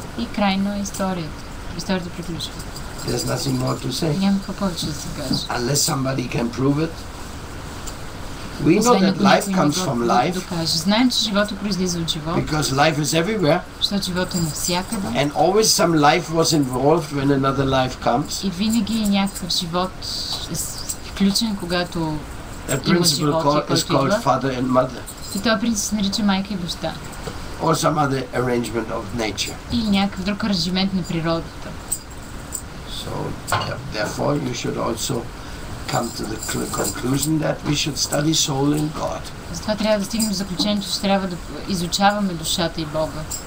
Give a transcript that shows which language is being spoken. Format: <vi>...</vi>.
<bg>И крайно е историята. Историята приключва.</bg> <en>There's nothing more to say.</en> <bg>Няма какво повече да се каже.</bg> <en>Unless somebody can prove it. We know that life comes from life.</en> <bg>Знаем, че живота произлиза от живота.</bg> <en>Because life is everywhere.</en> <bg>Защото живота е навсякъде.</bg> <en>And always some life was involved when another life comes.</en> <bg>И винаги някакъв живот е включен, когато</bg> <en>a principle</en> <bg>има живот,</bg> <en>is called father and mother.</en> <bg>И този принцип се нарича майка и баща.</bg> <en>Or some other arrangement of nature.</en> <bg>И някакъв друг аранжимент на природата.</bg> <en>So therefore you should also come to the conclusion that we should study soul and God.</en> <bg>Затова трябва да стигнем до заключението, че трябва да изучаваме душата и Бога.</bg>